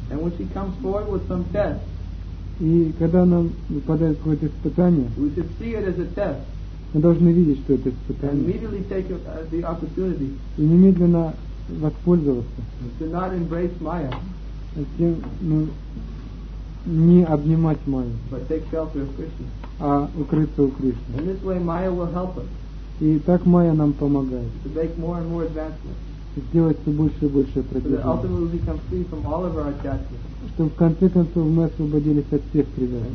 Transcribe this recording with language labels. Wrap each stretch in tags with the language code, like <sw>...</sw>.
<en>And when she comes forward with some test,</en> <ru>и когда нам выпадает какое-то испытание,</ru> <en>we should see it as a test.</en> <ru>Мы должны видеть, что это испытание.</ru> <en>And immediately take the opportunity.</en> <ru>И немедленно воспользоваться.</ru> <en>To not embrace Maya.</en> <ru>Затем, ну, не обнимать Майю,</ru> <en>but take shelter of Krishna.</en> <ru>А укрыться у Кришны.</ru> <en>In this way, Maya will help us.</en> <ru>И так Майя нам помогает.</ru> <en>To make more and more advancements.</en> <ru>Сделать все больше и больше продвижения.</ru> <en>So that ultimately we become free from all of our attachments.</en> <ru>Чтобы в конце концов мы освободились от всех привязанностей.</ru>